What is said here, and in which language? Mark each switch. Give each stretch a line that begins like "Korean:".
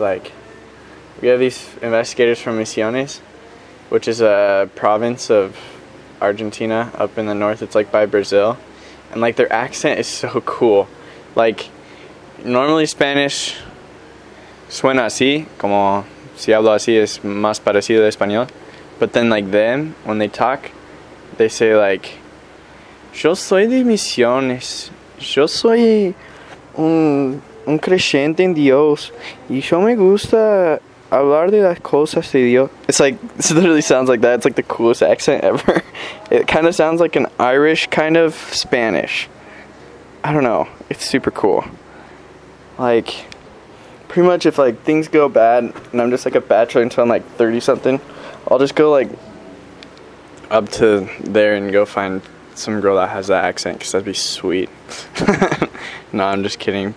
English: Like, we have these investigators from Misiones, which is a province of Argentina up in the north. It's, like, by Brazil. And, like, their accent is so cool. Like, normally Spanish
Spanish: suena así, como si hablo así es más parecido a español.
English: But then, like, them, when they talk, they say, like,
Spanish: yo soy de Misiones. Yo soy un creyente en Dios. Y yo me gusta hablar de las cosas de Dios.
English: It's like, it literally sounds like that. It's like the coolest accent ever. It kind of sounds like an Irish kind of Spanish. I don't know. It's super cool. Like, pretty much if, like, things go bad and I'm just, like, a bachelor until I'm, like, 30-something, I'll just go, like, up to there and go find some girl that has that accent because that'd be sweet. No, I'm just kidding.